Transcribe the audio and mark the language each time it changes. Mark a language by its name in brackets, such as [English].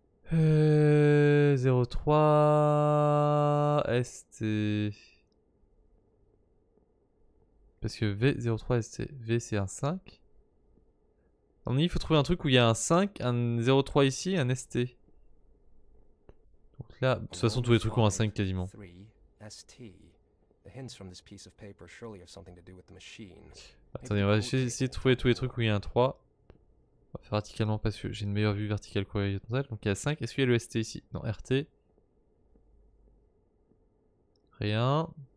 [French] 03ST. Parce que V03ST. V c'est un 5. Donc, il faut trouver un truc où il y a un 5, un 03 ici, un ST. Donc là, de toute façon, tous les trucs ont un 5 quasiment. ST. [English] The hints from this piece of paper surely have something to do with the machine. [French] Attendez, on va essayer de trouver tous les trucs où il y a un 3. On va faire verticalement parce que j'ai une meilleure vue verticale qu'horizontale. Donc il y a 5. Est-ce qu'il y a le ST ici? Non, RT. Rien.